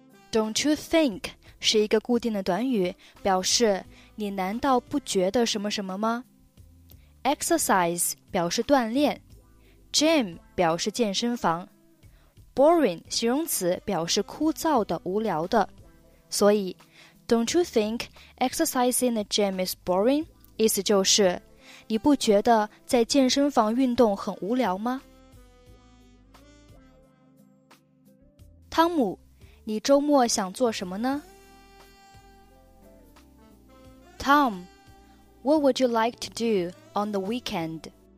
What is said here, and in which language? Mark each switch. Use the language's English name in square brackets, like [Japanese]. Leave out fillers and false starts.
[English] Don't you think [Chinese] 是一个固定的短语，表示你难道不觉得什么什么吗？ Exercise 表示锻炼， gym 表示健身房， boring 形容词表示枯燥的、无聊的。所以 [English] Don't you think exercising in the gym is boring? [Chinese] 意思就是你不觉得在健身房运动很无聊吗？汤姆，你周末想做什么呢？ [English] Tom, what would you like to do on the weekend?